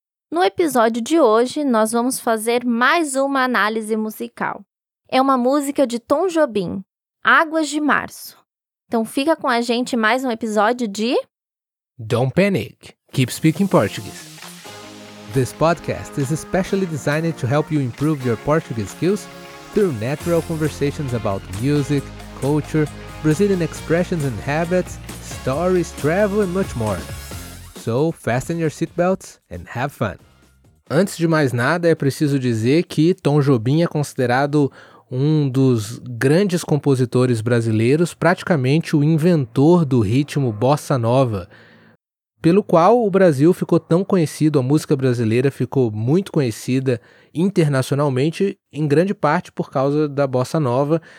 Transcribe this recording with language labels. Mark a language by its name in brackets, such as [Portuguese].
[Portuguese] No episódio de hoje, nós vamos fazer mais uma análise musical. É uma música de Tom Jobim, Águas de Março. Então fica com a gente mais um episódio de... [English] Don't panic. Keep speaking Portuguese. This podcast is especially designed to help you improve your Portuguese skills through natural conversations about music, culture, Brazilian expressions and habits, stories, travel and much more. So, fasten your seatbelts and have fun. [Portuguese] Antes de mais nada, é preciso dizer que Tom Jobim é considerado um dos grandes compositores brasileiros, praticamente o inventor do ritmo bossa nova, pelo qual o Brasil ficou tão conhecido, a música brasileira ficou muito conhecida internacionalmente, em grande parte por causa da bossa nova.